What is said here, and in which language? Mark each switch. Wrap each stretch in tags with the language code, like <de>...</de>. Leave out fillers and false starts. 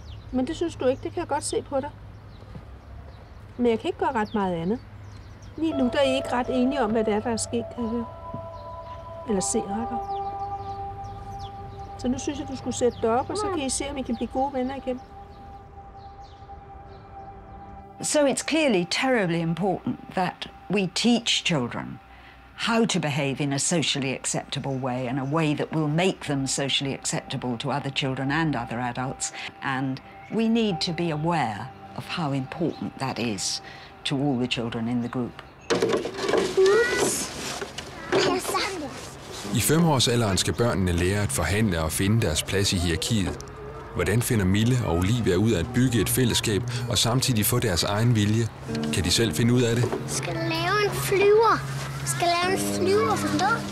<da>Men det synes du ikke, det kan jeg godt se på dig. Men jeg kan ikke gøre ret meget andet. Lige nu der er I ikke ret enige om, hvad det er, der er sket, kan jeg. Eller se retter. Så nu synes jeg, du skulle sætte dig op, og så kan I se, om I kan blive gode venner igen.</da> <en>So it's clearly terribly important that we teach children how to behave in a socially acceptable way, in a way that will make them socially acceptable to other children and other adults. And we need to be aware of how important that is to all the children in the group.</en> <da>I 5-årsalderen skal børnene lære at forhandle og finde deres plads i hierarkiet. Hvordan finder Mille og Olivia ud af at bygge et fællesskab og samtidig få deres egen vilje? Kan de selv finde ud af det? Skal lave en flyver. Skal lave en flyver, forstå?</da>